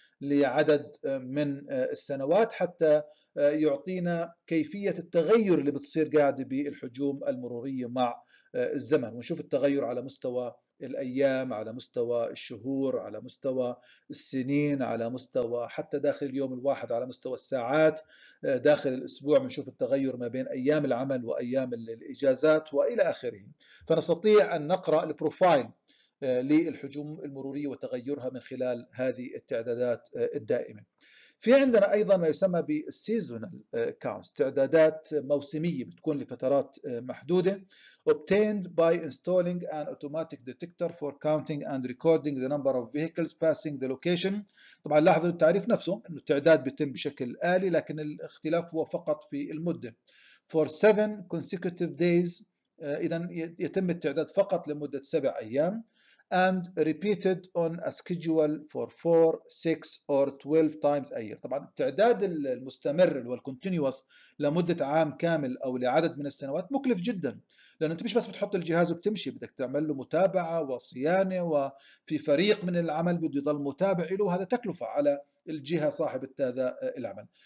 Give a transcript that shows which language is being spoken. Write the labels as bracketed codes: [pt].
[ar] لعدد من السنوات حتى يعطينا كيفية التغير اللي بتصير قاعدة بالحجوم المرورية مع الزمن، ونشوف التغير على مستوى الأيام، على مستوى الشهور، على مستوى السنين، على مستوى حتى داخل اليوم الواحد، على مستوى الساعات داخل الأسبوع بنشوف التغير ما بين أيام العمل وأيام الإجازات وإلى آخره. فنستطيع أن نقرأ البروفايل للحجوم المرورية وتغيرها من خلال هذه التعدادات الدائمة. في عندنا أيضا ما يسمى بالseasonal counts، تعدادات موسمية بتكون لفترات محدودة. [en] obtained by installing an automatic detector for counting and recording the number of vehicles passing the location. [ar] طبعا لاحظوا التعريف نفسه أن التعداد بيتم بشكل آلي، لكن الاختلاف هو فقط في المدة. [en] for 7 consecutive days، [ar] إذا يتم التعداد فقط لمدة 7 أيام. [en] and repeated on a schedule for 4, 6 or 12 times a year. [ar] طبعا التعداد المستمر والcontinuous لمدة عام كامل أو لعدد من السنوات مكلف جدا، لأنه أنت مش بس بتحط الجهاز وبتمشي، بدك تعمل له متابعة وصيانة، وفي فريق من العمل بده يظل متابع له، هذا تكلفة على الجهة صاحبة هذا العمل.